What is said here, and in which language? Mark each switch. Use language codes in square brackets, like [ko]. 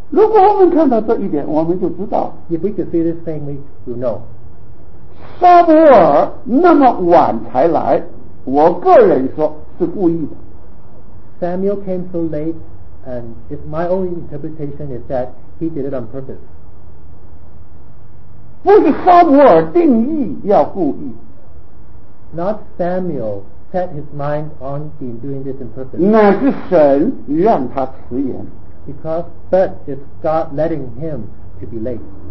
[zh] 如果我们看到这一点，我们就知道。 [en] If we can see this thing, we will know. [zh] 撒母耳那么晚才来，我个人说是故意的。 [en] Samuel came so late, and if my own interpretation is that he did it on purpose. [zh] 不是撒母耳定义要故意。 [en] Not Samuel set his mind on doing this in purpose. [zh] 那是神让他迟延。 [en] Because, but it's God letting him to be late.